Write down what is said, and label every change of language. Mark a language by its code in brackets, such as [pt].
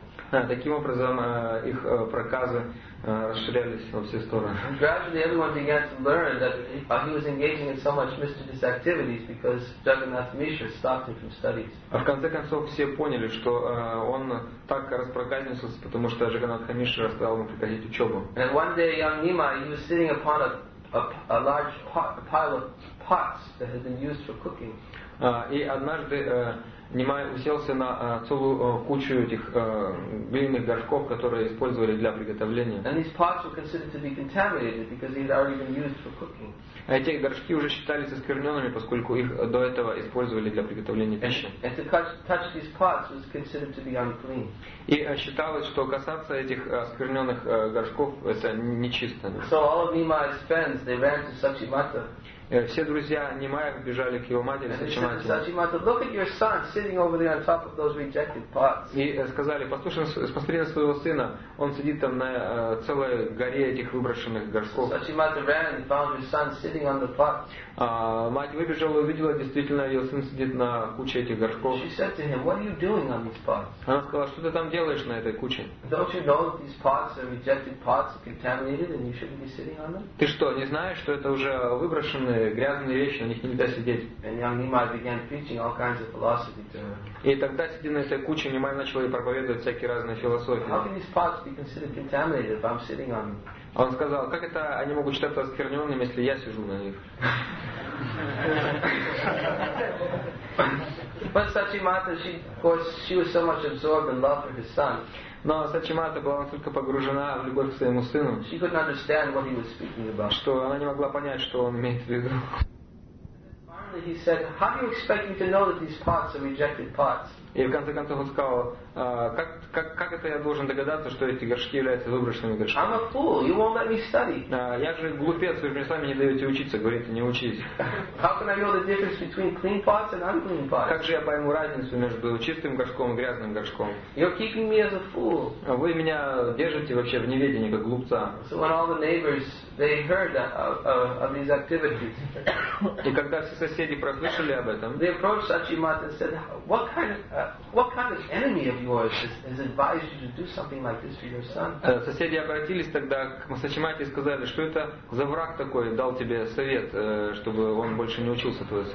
[ru] Таким образом их проказы расширялись во все стороны. [en] Gradually everyone began to learn that he was engaging in so much mischievous activities because Jagannath Mishra stopped him from studies. [ru] А в конце концов все поняли, что он так распроказничался, потому что Джаганнат Мишра стал ему прекратить учебу. [en] And one day young Nima, he was sitting upon a large pot, a pile of pots that had been used for cooking. [ru] И однажды Нимай уселся на целую кучу этих глиняных горшков, которые использовали для приготовления. [en] And these pots were considered to be contaminated because they had already been used for cooking. [ru] Эти горшки уже считались оскверненными, поскольку их до этого использовали для приготовления пищи. [en] And to touch these pots was considered to be unclean. [ru] И считалось, что касаться этих оскверненных горшков это нечисто. [en] So all of Nimai's friends, they ran to Sachimata. [ru] Все друзья Нимая бежали к его матери Сачимате. [en] Look at your son sitting over there on top of those rejected pots. [ru] И сказали: послушай, посмотри на своего сына, он сидит там на целой горе этих выброшенных горшков. [en] Сачимате ran and found his son sitting on the pots. [ru] Мать выбежала и увидела, действительно, ее сын сидит на куче этих горшков. [en] She said to him, "What are you doing on these pots?" [ru] Она сказала: что ты там делаешь на этой куче? [en] Don't you know that these pots are rejected pots, contaminated, and you shouldn't be sitting on them? [ru] Ты что, не знаешь, что это уже выброшенные грязные вещи, на них нельзя сидеть? [en] And young Nimai began preaching all kinds of philosophy to her. [ru] И тогда, сидя на этой куче, Нимай начал ей проповедовать всякие разные философии. [en] How can these pots be considered contaminated if I'm sitting on them? [ru] Он сказал: как это они могут считаться оскверненными, если я сижу на них? [en] But Sachimata, she, of course, she was so much absorbed in love for his son. [ru] Но Сачимата была настолько погружена в любовь к своему сыну, [en] she couldn't understand what he was speaking about. [ru] Что она не могла понять, что он имеет в виду. [en] He said, "How do you expect me to know that these pots are rejected pots?" [ru] И в конце концов он сказал: как это я должен догадаться, что эти горшки являются выброшенными горшками? [en] I'm a fool. You won't let me study. [ru] Я же глупец, вы же мне сами не даете учиться, говорите, не учись. [en] How can I know the difference between clean pots and unclean pots? [ru] Как же я пойму разницу между чистым горшком и грязным горшком? [en] You're keeping me as a fool. [ru] Вы меня держите вообще в неведении как глупца. [en] So when all the neighbors they heard of these activities, [ru] и когда все соседи прослышали об этом, [en] they approached Sachimata and said, What kind of enemy of yours has advised you to do something like this for your son? [ru] Соседи обратились тогда к Сачимате и сказали: что это за враг такой дал тебе совет, чтобы он больше не учился твой сын?